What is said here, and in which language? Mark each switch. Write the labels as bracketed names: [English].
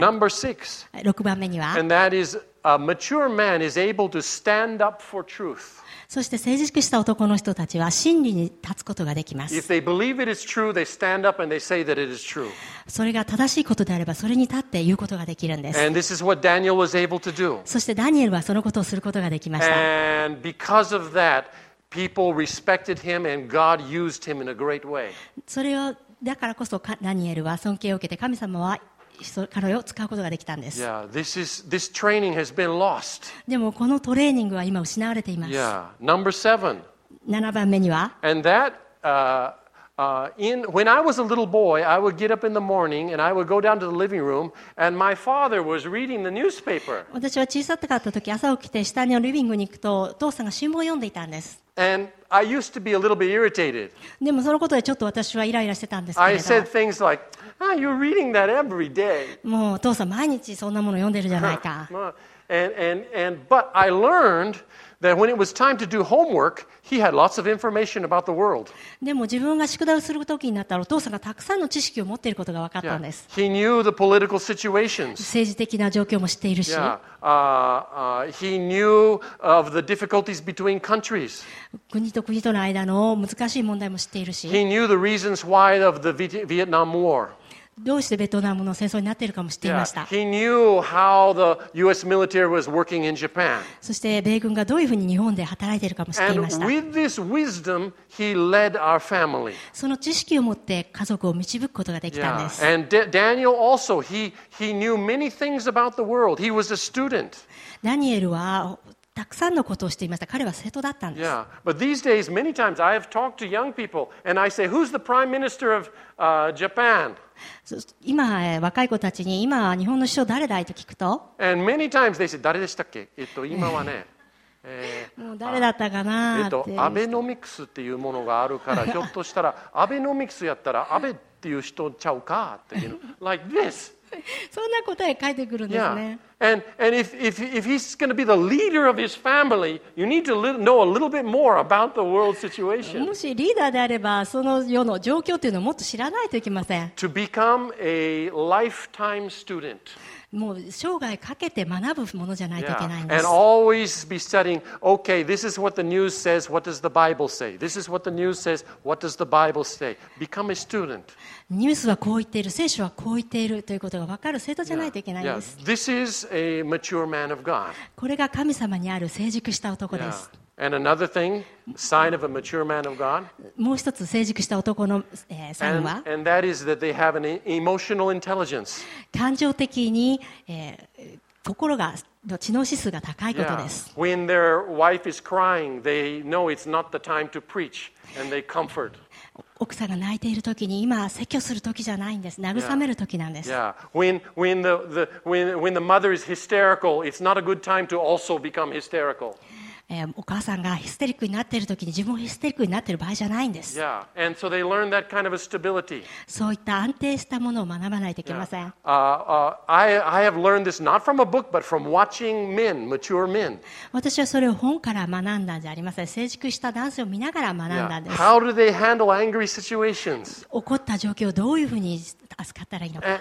[English] Yeah. Number six. [Japanese] 六番目には。 [English] And that is a mature man is able to stand up for truth. [Japanese] そして成熟した男の人たちは真理に立つことができます。 [English] If they believe it is true, they stand up and they say that it is true. [Japanese] それが正しいことであればそれに立って言うことができるんです。 [English] And this is what Daniel was able to do. [Japanese] そしてダニエルはそのことをすることができました。 [English] And because of that, people respected him and God used him in a great way. [Japanese] それをだからこそダニエルは尊敬を受けて神様は彼を使うことができたんです。 [English] Yeah, this training has been lost. [Japanese] でもこのトレーニングは今失われています。 [English] Yeah, number seven. [Japanese] 七番目には。 [English] And that, when I was a little boy, I would get up in the morning and I would go down to the living room and my father was reading the newspaper. [Japanese] 私は小さかった時、朝起きて下のリビングに行くと、お父さんが新聞を読んでいたんです。 [English] And I used to be a little bit irritated. [Japanese] でもそのことでちょっと私はイライラしてたんですけれど。 [English] I said things like,Ah, you're reading that every day. [Japanese] もうお父さん毎日そんなものを読んでるじゃないか。 [English] and but I learned that when it was time to do homework, he had lots of information about the world. [Japanese] でも自分が宿題をする時になったらお父さんがたくさんの知識を持っていることが分かったんです。 [English] Yeah. He knew the political situations. [Japanese] 政治的な状況も知っているし。 [English] Yeah. He knew of the difficulties between countries. [Japanese] 国と国との間の難しい問題も知っているし。 [English] He knew the reasons why of the Vietnam War. [Japanese] どうしてベトナムの戦争になっているかも知っていました。 [English] Yeah, he knew how the US military was working in Japan. [Japanese] そして米軍がどういうふうに日本で働いているかも知っていました。 [English] And with this wisdom, he led our family. [Japanese] その知識を持って家族を導くことができたんです。 [English] Yeah. And Daniel also, he knew many things about the world. He was a student. [Japanese] ダニエルはたくさんのことをしていました。彼は生徒だったんです。 [English] Yeah. But these days, many times, I have talked to young people, and I say, who's the prime minister of, Japan? [Japanese] 今若い子たちに今日本の首相誰だいと聞くと [English] And many times they say, [Japanese] 誰でしたっけ、今はね、もう誰だったかなって、アベノミクスっていうものがあるからひょっとしたらアベノミクスやったら安倍っていう人ちゃうかっていう [English] like this [Japanese] そんな答え返ってくるんですね、 [English] yeah. and if he's going to be the leader of his family you need to know a little bit more about the world situation [Japanese] もしリーダーであればその世の状況というのをもっと知らないといけません [English] to become a lifetime student [Japanese] もう生涯かけて学ぶものじゃないといけないんです。 [English] And always be studying. Okay, this is what the news says. What does the Bible say? This is what the news says. What does the Bible say? Become a student. [Japanese] ニュースはこう言っている、聖書はこう言っているということが分かる生徒じゃないといけないんです。 [English] Yeah. Yeah. This is a mature man of God. [Japanese] これが神様にある成熟した男です。 [English] Yeah. And another thing, sign of a mature man of God. [Japanese] もう一つ成熟した男の、サインは、 [English] and that is that they have an emotional intelligence. [Japanese] 感情的に、心が知能指数が高いことです。 [English] Yeah. When their wife is crying, they know it's not the time to preach, and they comfort. [Japanese] 奥さんが泣いているときに、今説教するときじゃないんです。慰めるときなんです。 [English] Yeah. Yeah. When the mother is hysterical, it's not a good time to also become hysterical. [Japanese] お母さんがヒステリックになっているときに自分もヒステリックになっている場合じゃないんです。 [English] Yeah. And so they learn that kind of a stability. [Japanese] そういった安定したものを学ばないといけません。 [English] I have learned this not from a book, but from watching men, mature men. [Japanese] 私はそれを本から学んだんじゃありません。成熟した男性を見ながら学んだんです。 [English] Yeah. How do they handle angry situations? [Japanese] 怒った状況をどういうふうに扱ったらいいのか。